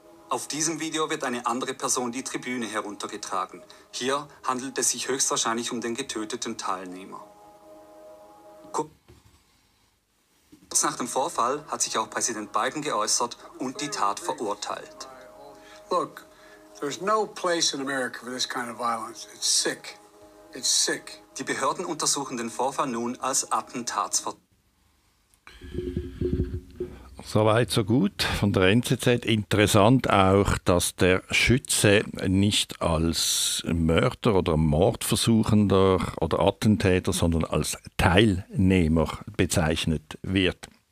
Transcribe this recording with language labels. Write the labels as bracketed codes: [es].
[de] Auf diesem Video wird eine andere Person die Tribüne heruntergetragen. Hier handelt es sich höchstwahrscheinlich um den getöteten Teilnehmer. Kurz nach dem Vorfall hat sich auch Präsident Biden geäußert und die Tat verurteilt. [en] Look, there's no place in America for this kind of violence. It's sick. It's sick. [de] Die Behörden untersuchen den Vorfall nun als Attentatsverdacht. Soweit so gut von der NZZ. Interessant auch, dass der Schütze nicht als Mörder oder Mordversuchender oder Attentäter, sondern als Teilnehmer bezeichnet wird.